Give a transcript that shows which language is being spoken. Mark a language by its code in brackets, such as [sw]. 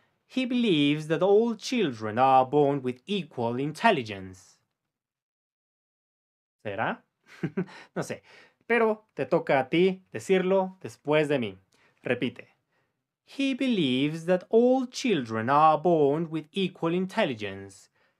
[en] He believes that all children are born with equal intelligence. [es] ¿Será? No sé. Pero te toca a ti decirlo después de mí. Repite. [en] He believes that all children are born with equal intelligence.